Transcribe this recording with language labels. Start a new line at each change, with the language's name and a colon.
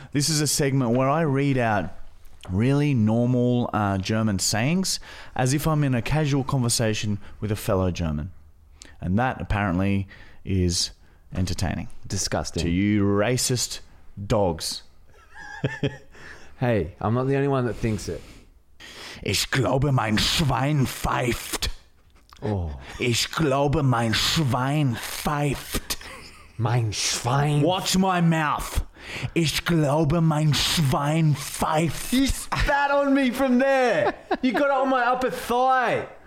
English: This is a segment where I read out really normal German sayings as if I'm in a casual conversation with a fellow German. And that apparently is... entertaining. Disgusting. To you racist dogs. Hey, I'm not the only one that thinks it.
German: Ich glaube, mein Schwein pfeift.
English: Oh.
German: Ich glaube, mein Schwein pfeift. Mein Schwein.
English: Watch my mouth.
German: Ich glaube, mein Schwein pfeift.
English: You spat on me from there. You got it on my upper thigh.